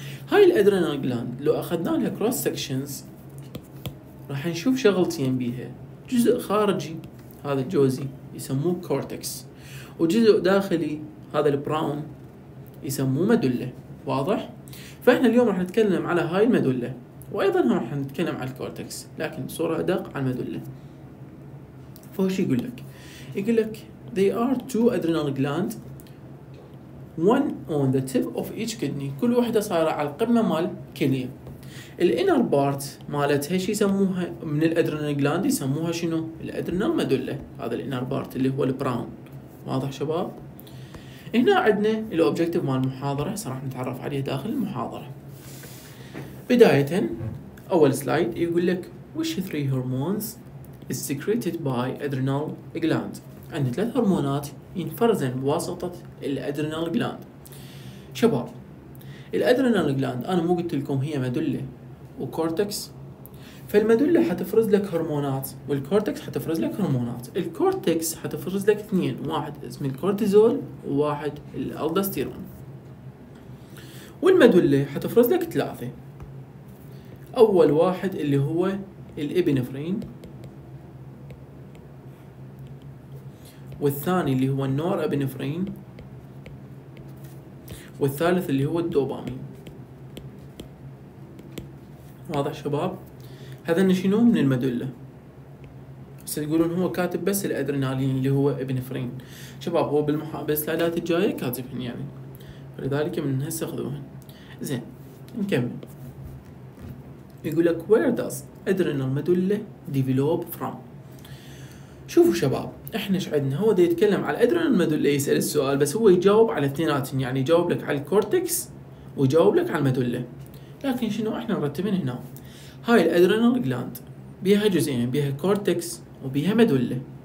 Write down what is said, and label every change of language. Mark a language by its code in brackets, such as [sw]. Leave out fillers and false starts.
[ar] هاي الادرينال جلاند لو اخذنا لها كروس سكشنز راح نشوف شغلتين بيها، جزء خارجي هذا الجوزي يسموه كورتكس، وجزء داخلي هذا البراون يسموه مدله، واضح؟ فاحنا اليوم راح نتكلم على هاي المدله، وايضا راح نتكلم على الكورتكس، لكن بصوره ادق على المدله. فوش يقول لك؟ يقول لك [en] they are two adrenal glands, one on the tip of each kidney. [ar] كل واحدة صايرة على القمة مال كلية. الانر بارت مالتها شي يسموها من الادرينال جلاند يسموها شنو؟ الادرينال مدلة. هذا الانر بارت اللي هو البراون، واضح شباب؟ هنا عندنا الاوبجكتيف مال المحاضرة، صراحة نتعرف عليه داخل المحاضرة. بداية اول سلايد يقول لك [en] which three hormones is secreted by adrenal gland. [ar] عندنا ثلاث هرمونات ينفرزن بواسطة الأدرينال جلاند. شباب، الأدرينال جلاند أنا مو قلت لكم هي مدلة وكورتكس؟ فالمدلة حتفرز لك هرمونات والكورتكس حتفرز لك هرمونات. الكورتكس حتفرز لك اثنين، واحد اسمه الكورتيزول وواحد الألدستيرون، والمدلة حتفرز لك ثلاثة. أول واحد اللي هو الإبينفرين، والثاني اللي هو النور ابينفرين، والثالث اللي هو الدوبامين. واضح شباب؟ هذا شنو من المدلة، بس تقولون هو كاتب بس الادرينالين اللي هو ابينفرين. شباب، هو بالسلايدات الجاية كاتبهن يعني، لذلك من هسه خذوهن. زين، نكمل. يقولك [en] where does adrenal medulla develop from. [ar] شوفوا شباب، احنا ايش عندنا؟ هو ده يتكلم على الادرينال مدله، يسال السؤال بس هو يجاوب على اثنيناتهم، يعني يجاوب لك على الكورتكس ويجاوب لك على المدله. لكن شنو احنا نرتبين هنا؟ هاي الادرينال جلاند بيها جزئين، بيها كورتكس وبيها مدله.